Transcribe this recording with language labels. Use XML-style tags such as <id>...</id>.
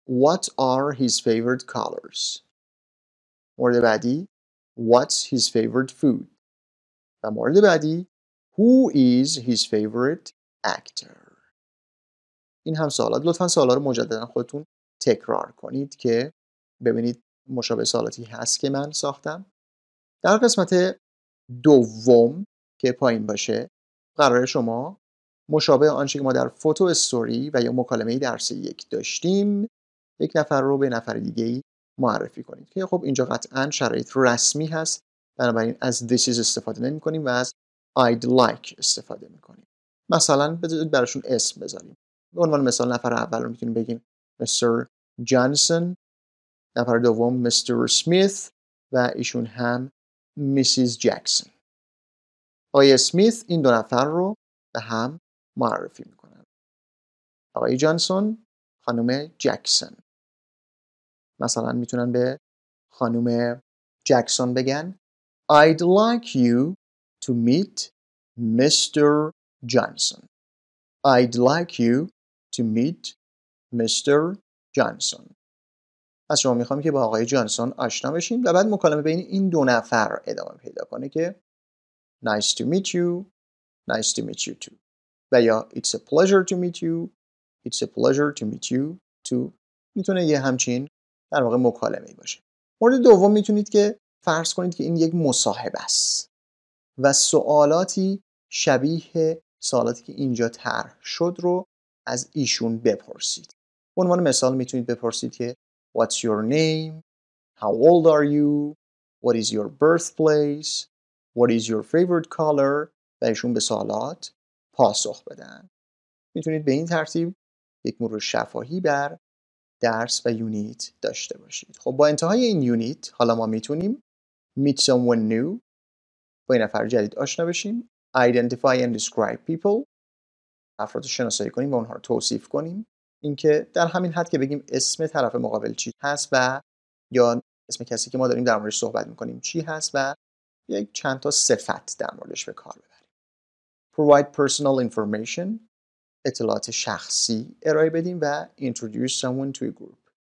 <en>What are his favorite colors?</en> <fa>مورد بعدی.</fa> <en>What's his favorite food?</en> <fa>و مورد بعدی.</fa> <en>Who is his favorite actor?</en> <fa>این هم سوالات. لطفاً سوالا رو مجددا خودتون تکرار کنید که ببینید مشابه سوالاتی هست که من ساختم. در قسمت دوم که پایین باشه قرار شما مشابه آنچه که ما در فوتو استوری و یا مکالمه درس یک داشتیم یک نفر رو به نفر دیگه معرفی کنید. که خب اینجا قطعاً شرایط رسمی هست، بنابراین از this is استفاده نمی کنیم و از I'd like استفاده می کنیم. مثلا بذارید براشون اسم بذاریم. به عنوان مثال نفر اول رو میتونیم بگیم Mr. Johnson، نفر دوم Mr. Smith و ایشون هم Mrs. Jackson. آقای Smith این دو نفر رو به هم معرفی میکنن. آقای Johnson، خانم Jackson. مثلا میتونن به خانم Jackson بگن</fa> <en>I'd like you to meet Mr. Johnson. I'd like you to meet Mr. Johnson.</en> <fa>از شما میخوام که با آقای جانسون آشنا بشین و بعد مکالمه بین این دو نفر ادامه پیدا کنه که</fa> <en>Nice to meet you. Nice to meet you too. و یا It's a pleasure to meet you. It's a pleasure to meet you too.</en> <fa>میتونه یه همچین در واقع مکالمه باشه. مورد دوم میتونید که فرض کنید که این یک مصاحبه است. و سوالاتی شبیه سوالاتی که اینجا طرح شد رو از ایشون بپرسید. به عنوان مثال میتونید بپرسید که</fa> <en>What's your name? How old are you? What is your birthplace? What is your favorite color?</en> <fa>و ایشون به سوالات پاسخ بدن. میتونید به این ترتیب یک مرور شفاهی بر درس و یونیت داشته باشید. خب با انتهای این یونیت حالا ما میتونیم</fa> <en>Meet someone new.</en> <fa>با این نفر جدید آشنا بشیم.</fa> <en>Identify and describe people.</en> <fa>افراد رو شناسایی کنیم و اونها رو توصیف کنیم. اینکه در همین حد که بگیم اسم طرف مقابل چی هست و یا اسم کسی که ما داریم در موردش صحبت میکنیم چی هست و یک چند تا صفت در موردش به کار ببریم.</fa> <en>Provide personal information.</en> <fa>اطلاعات شخصی ارائه بدیم و</fa> <en>introduce someone to a group.</en>